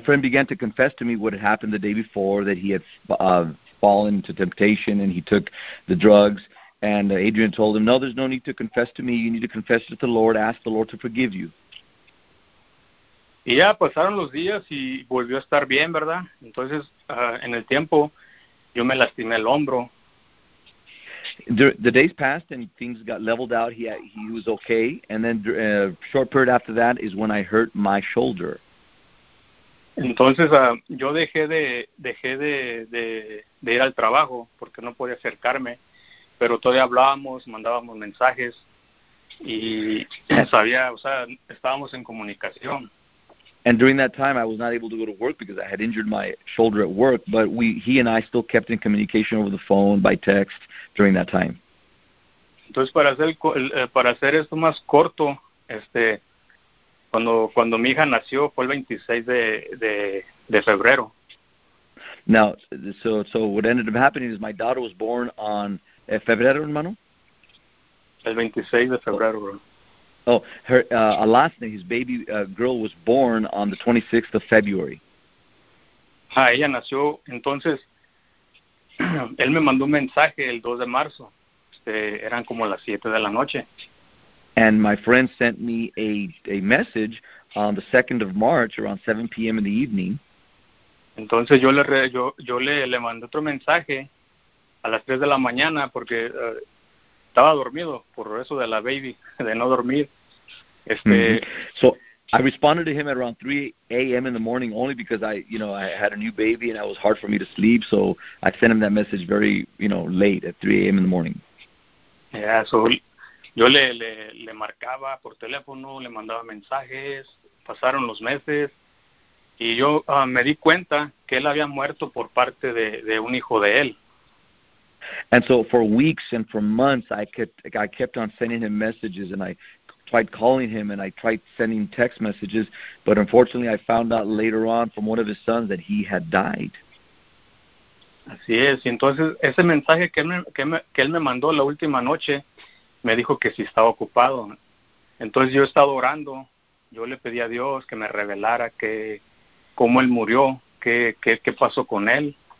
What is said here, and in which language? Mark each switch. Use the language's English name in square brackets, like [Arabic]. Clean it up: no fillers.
[English] friend began to confess to me what had happened the day before, that he had fall into temptation and he took the drugs, and Adrian told him, no, there's no need to confess to me, you need to confess to the Lord, ask the Lord to forgive you. [Spanish] Y ya pasaron los días y volvió a estar bien, ¿verdad? Entonces, en el tiempo, yo me lastimé el hombro. [English] The days passed and things got leveled out, he was okay, and then a short period after that is when I hurt my shoulder. [Spanish] Entonces yo dejé de ir al trabajo porque no podía acercarme, pero todavía hablábamos, mandábamos mensajes y sabía, o sea, estábamos en comunicación. [English] And during that time I was not able to go to work because I had injured my shoulder at work, but he and I still kept in communication over the phone, by text, during that time. [Spanish] Entonces para hacer esto más corto, Cuando mi hija nació fue el 26 de febrero. [English] Now, so what ended up happening is my daughter was born on [Spanish] febrero, hermano? El 26 de febrero, [English] bro. Oh, her Alasne, his baby girl was born on the 26th of February. [Spanish] Ah, ella nació, entonces, él me mandó un mensaje el 2 de marzo. Eran como las 7 de la noche. [English] And my friend sent me a message on the 2nd of March around 7 p.m. in the evening. [Spanish] Entonces yo le mandé otro mensaje a las 3 de la mañana porque estaba dormido por eso de la baby, de no dormir. [English] So I responded to him at around 3 a.m. in the morning only because I had a new baby and it was hard for me to sleep. So I sent him that message very, late at 3 a.m. in the morning. [Spanish] Yeah, so yo le marcaba por teléfono, le mandaba mensajes, pasaron los meses, y yo me di cuenta que él había muerto por parte de un hijo de él. [English] And so for weeks and for months, I kept on sending him messages, and I tried calling him, and I tried sending text messages, but unfortunately I found out later on from one of his sons that he had died. [Spanish] Así es, y entonces ese mensaje que él me mandó la última noche, me dijo que si estaba ocupado. Entonces yo estaba orando, yo le pedí a Dios que me revelara que cómo él murió, qué pasó con él.